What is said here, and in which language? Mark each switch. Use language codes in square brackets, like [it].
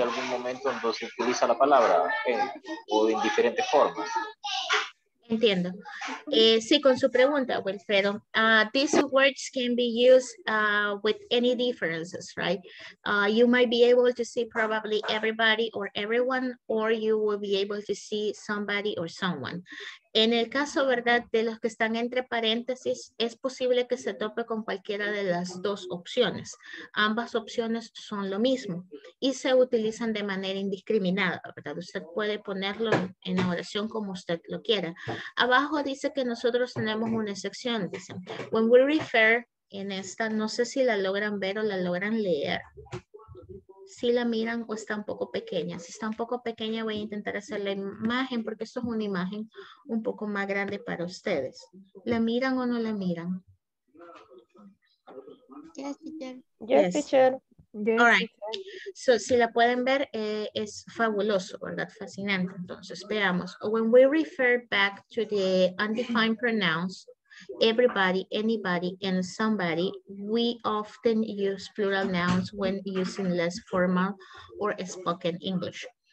[es] algún momento donde se utiliza la palabra o en diferentes formas? Entiendo. Sí, con su pregunta, Wilfredo. [en] These words can be used with any differences, right? You might be able to see probably everybody or everyone, or you will be able to see somebody or someone. [es] En el caso, ¿verdad?, de los que están entre paréntesis, es posible que se tope con cualquiera de las dos opciones. Ambas opciones son lo mismo y se utilizan de manera indiscriminada, ¿verdad? Usted puede ponerlo en la oración como usted lo quiera. Abajo dice que nosotros tenemos una excepción, dice. [en] When we refer [es] en esta, no sé si la logran ver o la logran leer. Si la miran o está un poco pequeña. Si está un poco pequeña, voy a intentar hacer la imagen porque esto es una imagen un poco más grande para ustedes. ¿La miran o no la miran? [en] Yes, teacher. Yes, teacher. Yes. All right. [es] So, si la pueden ver, es fabuloso, ¿verdad? Fascinante. Entonces, veamos. [en] When we refer back to the undefined pronouns, everybody, anybody, and somebody, we often use plural nouns when using less formal or spoken English.